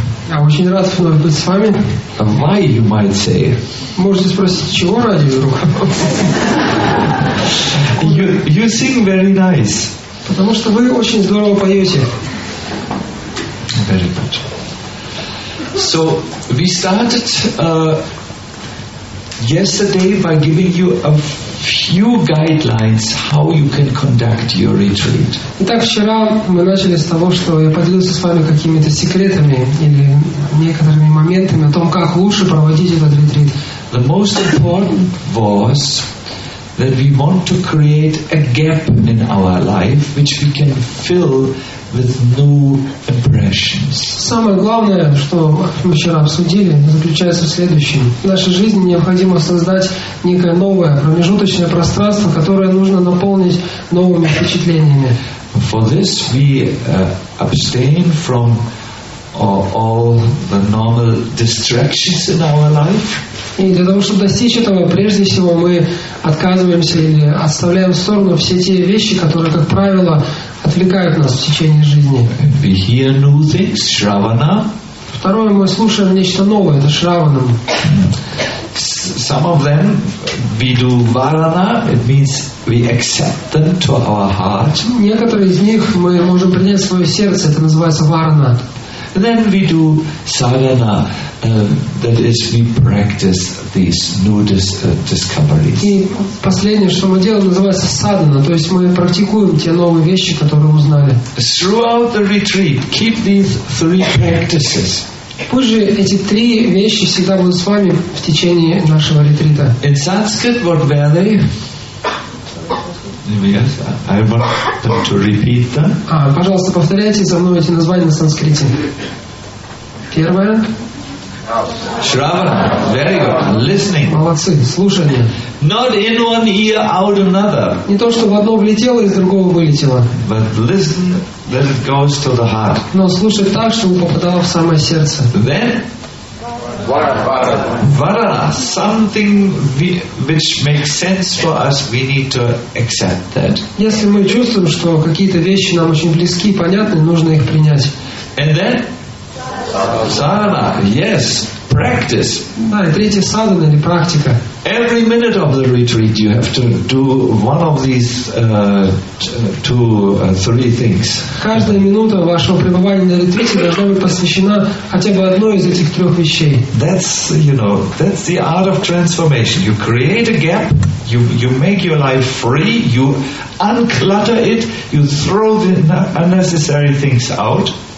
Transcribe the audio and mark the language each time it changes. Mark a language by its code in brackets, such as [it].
[ru] Я очень рад вновь быть с вами. [en] Why, you might say? [ru] Можете спросить, чего ради вдруг? [en] You sing very nice. [ru] Потому что вы очень здорово поете. [en] Very good. So we started yesterday by giving you a few guidelines how you can conduct your retreat. [ru] Итак, вчера мы начали с того, что я поделился с вами какими-то секретами или некоторыми моментами о том, как лучше проводить этот ретрит. [en] The most important was that we want to create a gap in our life which we can fill with new impressions. [ru] Самое главное, что мы вчера обсудили, заключается в следующем. В нашей жизни необходимо создать некое новое промежуточное пространство, которое нужно наполнить новыми впечатлениями. [en] For this we abstain from all the normal distractions in our life. [ru] И для того, чтобы достичь этого, прежде всего мы отказываемся или отставляем в сторону все те вещи, которые, как правило, отвлекают нас в течение жизни. [en] We hear new things, Shravana. [ru] Второе, мы слушаем нечто новое, это Shravana. [en] Some of them we do Varana, it means we accept them to our heart. [ru] Некоторые из них мы можем принять в свое сердце, это называется Varana. [en] Then we do sadhana, that is, we practice these new discoveries. [ru] И последнее, что мы делаем, называется sadhana, то есть мы практикуем те новые вещи, которые узнали. [en] Throughout the retreat, keep these three practices. [ru] Пусть же эти три вещи всегда будут с вами в течение нашего ретрита. [en] In Sanskrit, what were they? Yes, I want to repeat them. [ru] Пожалуйста, повторяйте за мной эти названия на санскрите. Первое. [en] Shravana. Very good. Listening. [ru] Молодцы. Слушание. [en] Not in one ear, out another. [ru] Не то, что в одно влетело, из другого вылетело. [en] But listen that it goes to the heart. [ru] Но слушать так, чтобы попадало в самое сердце. [en] Then? Varana, something which makes sense for us, we need to accept that. [ru] Если мы чувствуем, что какие-то вещи нам очень близки и понятны, нужно их принять. [en] And then, sadhana, yes, practice. [ru] Да, и третье, sadhana или практика. [en] Every minute of the retreat, you have to do one of these three things. [ru] Каждая минута вашего пребывания на ретрите должна быть посвящена хотя бы одной из этих трех вещей. [en] That's the art of transformation. You create a gap. You make your life free. You unclutter it. You throw the unnecessary things out.